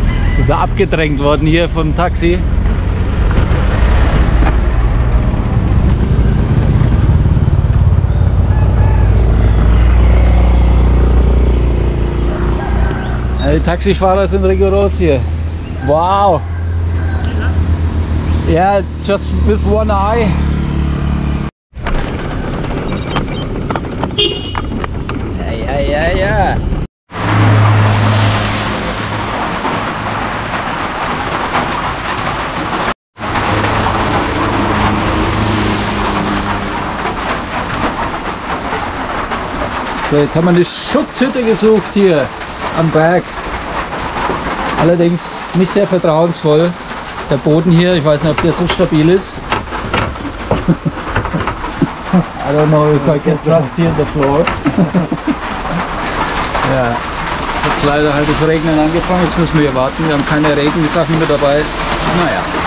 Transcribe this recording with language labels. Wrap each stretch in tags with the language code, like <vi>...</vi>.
<de>Jetzt ist er abgedrängt worden hier vom Taxi. Die Taxifahrer sind rigoros hier. Wow!</de> <en>Ja, yeah, just with one eye.</en> <de>Ja, ja, ja, ja. So, jetzt haben wir eine Schutzhütte gesucht hier am Berg. Allerdings nicht sehr vertrauensvoll. Der Boden hier, ich weiß nicht, ob der so stabil ist.</de> <en>I don't know if I can trust here the floor.</en> <de>Ja, jetzt leider halt das Regnen angefangen, jetzt müssen wir hier warten. Wir haben keine Regensachen mehr dabei. Naja.</de>